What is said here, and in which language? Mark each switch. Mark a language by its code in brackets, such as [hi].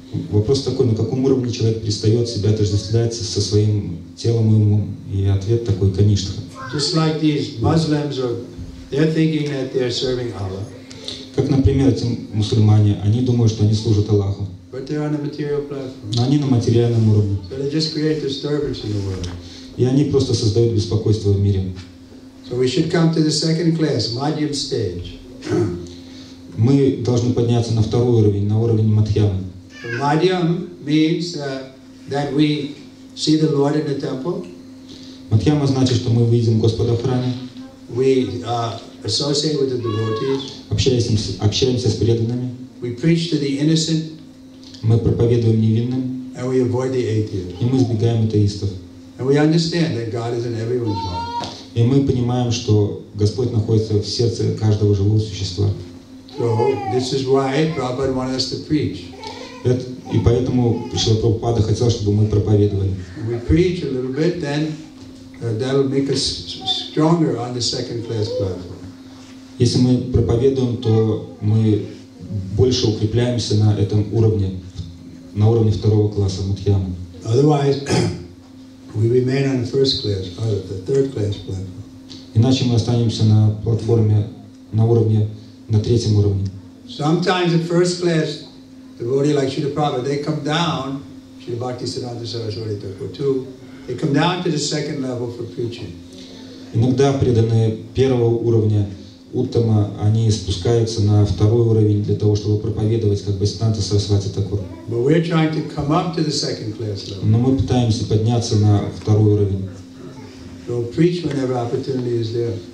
[ru] Вопрос такой: на каком уровне человек перестает себя отождествляться со своим телом и умом? И ответ такой: конечно. [en] Just like these Muslims are, they're thinking that they're serving Allah. [ru] Как, например, эти мусульмане, они думают, что они служат Аллаху. [en] But they're on a material platform. [ru] Но они на материальном уровне. [en] So they just create disturbance in the world. [ru] И они просто создают беспокойство в мире. [en] So we should come to the second class, Madhyam stage. [ru] Мы должны подняться на второй уровень, на уровень Мадхьямы. [en] Madhyam means that we see the Lord in the temple. [ru] Мадхьяма значит, что мы видим Господа в храме. [en] We associate with the devotees. [ru] Общаемся с преданными. [en] We preach to the innocent. [ru] Мы проповедуем невинным. [en] And we avoid the atheists. [ru] И мы избегаем атеистов. [en] And we understand that God is in everyone's heart. [ru] И мы понимаем, что Господь находится в сердце каждого живого существа. [en] So this is why Prabhupada wanted us to preach. [ru] И поэтому Шрила Прабхупада хотел, чтобы мы проповедовали. [en] We preach a little bit, then that will make us stronger on the second class platform. [ru] Если мы проповедуем, то мы больше укрепляемся на этом уровне, на уровне второго класса Мадхьямы. [en] Otherwise, we remain on the first class, or the third class platform. [ru] Иначе мы останемся на платформе, на уровне, на третьем уровне. [en] Sometimes the first class devotee like Śrīla Prabhupāda, they come down, Śrīla Bhakti Siddhānta Saraswati Thakur too, they come down to the second level for preaching. [ru] Иногда преданные первого уровня Уттама, они спускаются на второй уровень для того, чтобы проповедовать, как Бхактисиддханта Сарасвати Такур. [en] But we're trying to come up to the second class level. [ru] Но мы пытаемся подняться на второй уровень. [en] So preach whenever opportunity is there.